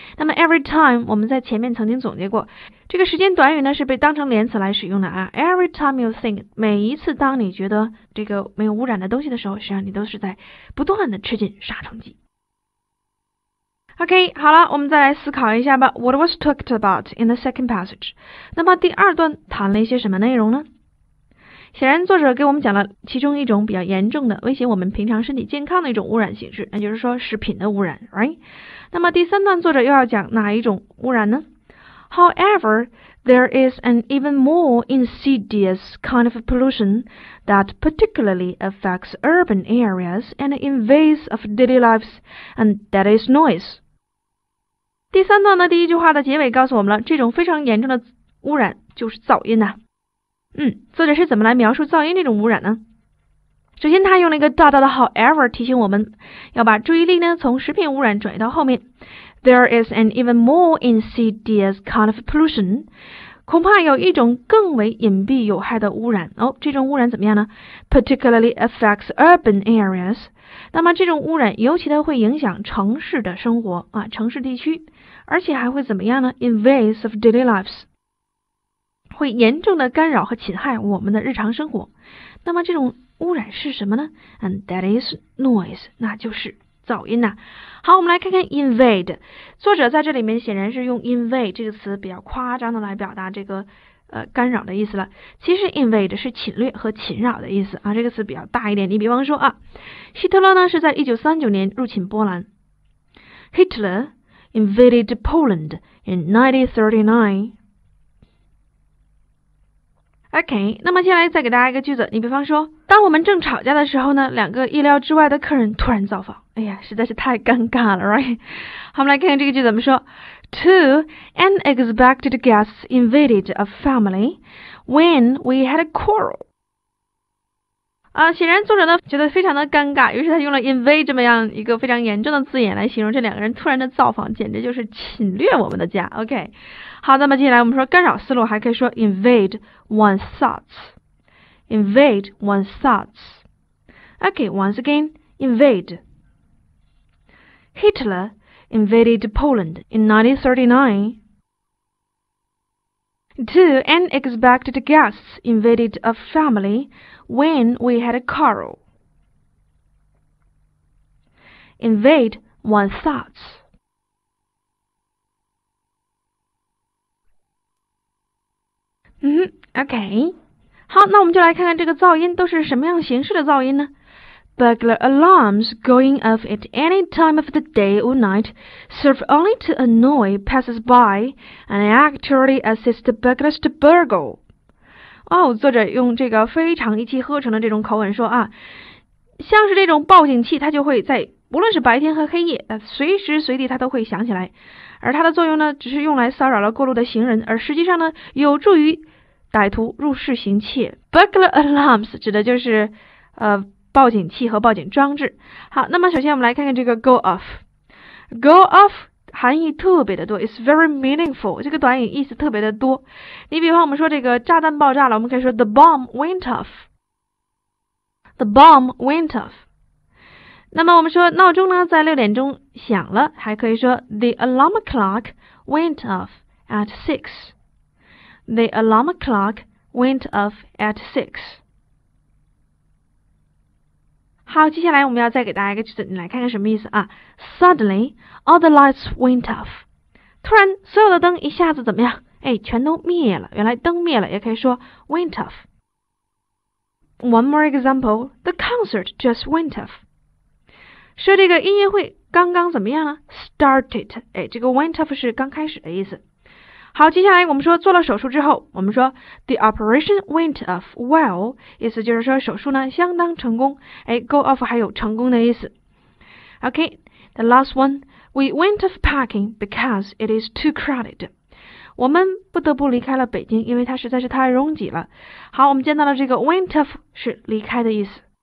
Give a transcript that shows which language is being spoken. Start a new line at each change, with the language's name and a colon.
Chinese: 那么 every time 我们在前面曾经总结过，这个时间短语呢是被当成连词来使用的啊。
English: Every time you think，
Chinese: 每一次当你觉得这个没有污染的东西的时候，实际上你都是在不断的吃进杀虫剂。 OK， 好了，我们再来思考一下吧。
English: What was talked about in the second passage？
Chinese: 那么第二段谈了一些什么内容呢？显然，作者给我们讲了其中一种比较严重的威胁我们平常身体健康的一种污染形式，那就是说食品的污染 ，right？那么第三段作者又要讲哪一种污染呢
English: ？However, there is an even more insidious kind of pollution that particularly affects urban areas and invades of daily lives, and that is noise.
Chinese: 第三段的第一句话的结尾告诉我们了，这种非常严重的污染就是噪音呐、啊。作者是怎么来描述噪音这种污染呢？首先，他用了一个大大的 however 提醒我们，要把注意力呢从食品污染转移到后面。
English: There is an even more insidious kind of pollution，
Chinese: 恐怕有一种更为隐蔽有害的污染。哦，这种污染怎么样呢 ？
English: Particularly affects urban areas。
Chinese: 那么这种污染尤其的会影响城市的生活啊，城市地区，而且还会怎么样呢 ？
English: Invades of daily lives。
Chinese: 会严重的干扰和侵害我们的日常生活，那么这种污染是什么呢 ？
English: And that is noise，
Chinese: 那就是噪音呐、啊。好，我们来看看 invade， 作者在这里面显然是用 invade 这个词比较夸张的来表达这个干扰的意思了。其实 invade 是侵略和侵扰的意思啊，这个词比较大一点。你比方说啊，希特勒呢是在1939年入侵波兰 ，
English: Hitler invaded Poland in 1939。
Chinese: OK， 那么接下来再给大家一个句子，你比方说，当我们正吵架的时候呢，两个意料之外的客人突然造访，哎呀，实在是太尴尬了 ，right？好，我们来看看这个句怎么说
English: ：Two unexpected guests invaded a family when we had a quarrel。
Chinese: 显然作者呢觉得非常的尴尬，于是他用了 invade 这么样一个非常严重的字眼来形容这两个人突然的造访，简直就是侵略我们的家。OK。好，那么接下来我们说干扰思路，还可以说
English: invade one's thoughts， invade one's thoughts。 OK， once again， invade。 Hitler invaded Poland in 1939. Two unexpected guests invaded a family when we had a quarrel. Invade one's thoughts。 OK，
Chinese: 好，那我们就来看看这个噪音都是什么样形式的噪音呢
English: ？Burglar alarms going off at any time of the day or night serve only to annoy passers-by and actually assist the burglars to burgle。
Chinese: 哦，作者用这个非常一气呵成的这种口吻说啊，像是这种报警器，它就会在无论是白天和黑夜，随时随地它都会响起来。而它的作用呢，只是用来骚扰了过路的行人，而实际上呢，有助于歹徒入室行窃。 Burglar alarms 指的就是报警器和报警装置。好，那么首先我们来看看这个 go off。 go off 含义特别的多 ，
English: it's very meaningful。
Chinese: 这个短语意思特别的多。你比方我们说这个炸弹爆炸了，我们可以说
English: the bomb went off。 the bomb went off。
Chinese: 那么我们说闹钟呢在六点钟响了，还可以说
English: the alarm clock went off at six。 the alarm clock went off at six。
Chinese: 好，接下来我们要再给大家一个句子，你来看看什么意思啊。
English: suddenly all the lights went off，
Chinese: 突然所有的灯一下子怎么样，哎，全都灭了。原来灯灭了也可以说 went off。
English: one more example， the concert just went off，
Chinese: 说这个音乐会刚刚怎么样呢 ？
English: Started，
Chinese: 哎，这个 went off 是刚开始的意思。好，接下来我们说做了手术之后，我们说
English: the operation went off well，
Chinese: 意思就是说手术呢相当成功。哎 ，go off 还有成功的意思。
English: Okay， the last one， we went off packing because it is too crowded。
Chinese: 我们不得不离开了北京，因为它实在是太拥挤了。好，我们见到了这个 went off 是离开的意思。